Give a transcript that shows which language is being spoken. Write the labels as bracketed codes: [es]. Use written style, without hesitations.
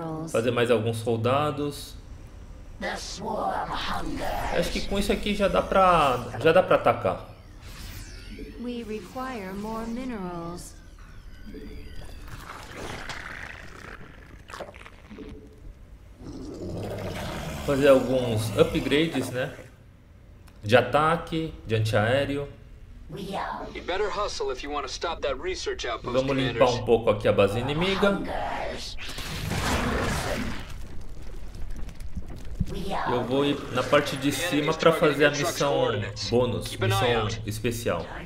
[pt] Fazer mais alguns soldados. Acho que com isso aqui já dá pra atacar. [en] We require more minerals. [pt] Fazer alguns upgrades, né? De ataque, de antiaéreo. [en] You better hustle if you want to stop that research outpost. [pt] Vamos limpar um pouco aqui a base inimiga. Eu vou ir na parte de cima para fazer a missão bônus, missão especial.